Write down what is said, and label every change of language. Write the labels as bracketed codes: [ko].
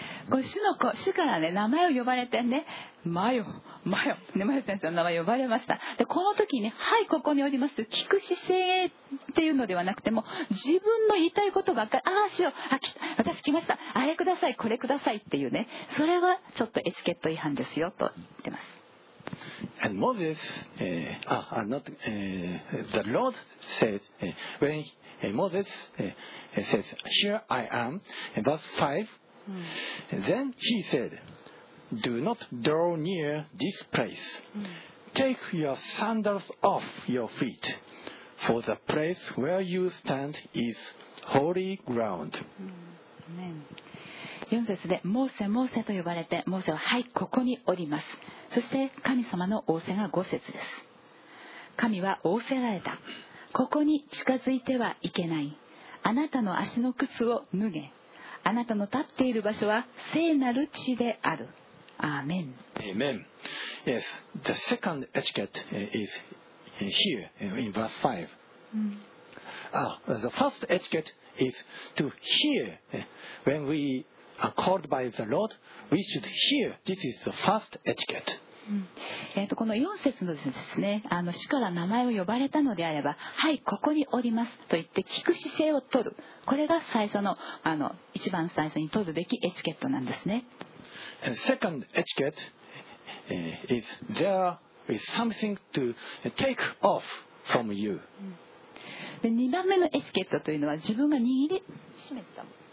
[ja] これ主の子、主からね名前を呼ばれてね、マヨマヨ、ね、マヨ先生の名前呼ばれました。でこの時に、ね、はいここにおりますと聞く姿勢っていうのではなくても、自分の言いたいことばっかり、ああ主よ、あ私来ました、あれくださいこれくださいっていうね、それはちょっとエチケット違反ですよと言ってます。 [en] And Moses, not, the Lord says, when Moses says, "Here I am," verse 5, then he said, "Do not draw near this place. Take your sandals off your feet, for the place where you stand is holy ground." Amen. [ja] 4節でモーセモーセと呼ばれて、モーセははいここにおります、そして神様の仰せが5節です。神は仰せられた、ここに近づいてはいけない、あなたの足の靴を脱げ、あなたの立っている場所は聖なる地である。アーメン。 [en] Amen. Yes, the second etiquette is here in verse 5. The first etiquette is to hear. When we are called by the Lord, we should hear. This is the first etiquette. [ja] この4節のですね、あの主から名前を呼ばれたのであれば、はいここにおりますと言って聞く姿勢を取る。これが最初の、あの一番最初に取るべきエチケットなんですね。 [en] And second etiquette, is there is something to take off from you. [ja] で2番目のエチケットというのは、自分が握り締めた、